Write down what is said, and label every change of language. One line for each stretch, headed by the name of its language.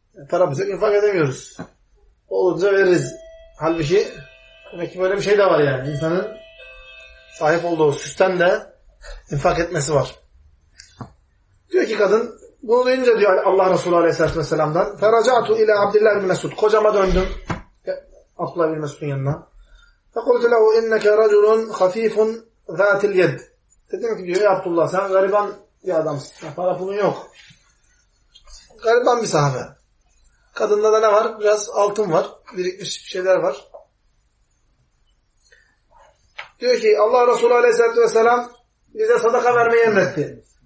Turkish: Para bize infak edemiyoruz. Olunca veririz. Halbuki demek ki böyle bir şey de var yani. İnsanın sahip olduğu süsten de infak etmesi var. Diyor ki kadın, bunu duyunca diyor Allah Resulü Aleyhisselatü Vesselam'dan,
Arabic: فَرَجَعْتُ اِلَى عَبْدِلَّهِ بِنْ مَسُودِ
Turkish: Kocama döndüm. Abdullah bin Mesud'un yanına.
Arabic: فَقُلْتُ لَهُ اِنَّكَ رَجُلٌ خَف۪يفٌ ذَاتِ الْيَدِ
Turkish: Dedim ki diyor, ya Abdullah sen gariban bir adamsın. Ya para pulun yok. Gariban bir sahabe. Kadında da ne var? Biraz altın var. Birikmiş bir şeyler var. Diyor ki Allah Resulü Aleyhisselatü Vesselam bize sadaka vermeyi emretti.